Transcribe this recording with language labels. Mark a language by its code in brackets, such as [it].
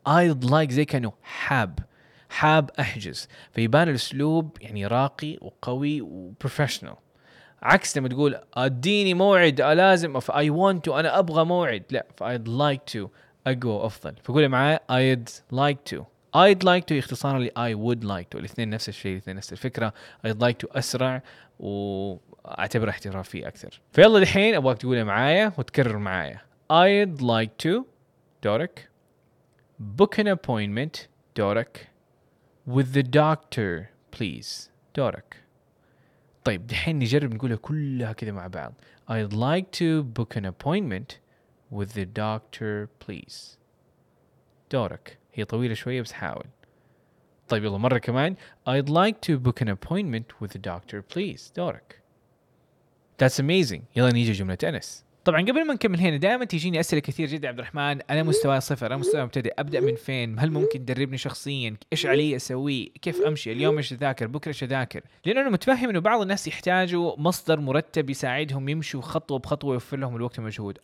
[en] I'd like [ar] زي كأنه حاب أحجز فيبان الأسلوب يعني راقي وقوي وبروفيشنال عكس لما تقول أديني موعد ألازم أو [en] I want to [ar] أنا أبغى موعد لا ف [en] I'd like to [ar] أقوى أفضل فقولي معايا I'd like to. [en] I'd like to [ar] اختصارا لـ [en] I would like to [ar] الاثنين نفس الشيء الاثنين نفس الفكرة. [en] I'd like to [ar] أسرع و اعتبر احترافي اكثر. فيلا الحين ابغاك تقولها معايا وتكرر معايا. [en] I'd like to [ar] دورك [en] book an appointment دورك with the doctor please دورك. [ar] طيب الحين نجرب نقولها كلها كذا مع بعض. [en] I'd like to book an appointment with the doctor please [ar] دورك. هي طويله شويه بس حاول. طيب يلا مره كمان. [en] I'd like to book an appointment with the doctor please [ar] دورك. [en] That's amazing. [ar] يلا نيجي جملة أنس. طبعا قبل ما نكمل هنا دائما تجيني أسئلة كثير جدا عبد الرحمن. أنا مستوى صفر. أنا مستوى مبتدئ. أبدأ من فين؟ هل ممكن تدربني شخصيا؟ إيش علي أسوي؟ كيف أمشي؟ اليوم إيش أذاكر؟ بكرة إيش أذاكر؟ لأن أنا متفهم إنه بعض الناس يحتاجوا مصدر مرتب يساعدهم يمشوا خطوة بخطوة ويوفر لهم الوقت والمجهود.